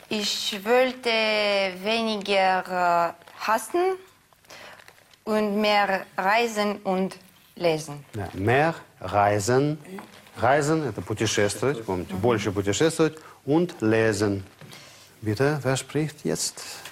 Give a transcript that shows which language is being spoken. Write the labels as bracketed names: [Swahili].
[German] Ich wollte weniger hassen und mehr reisen und lesen. Ja, mehr reisen. [Russian] Reisen – это путешествовать, помните, больше путешествовать. [German] Und lesen. Bitte, wer spricht jetzt?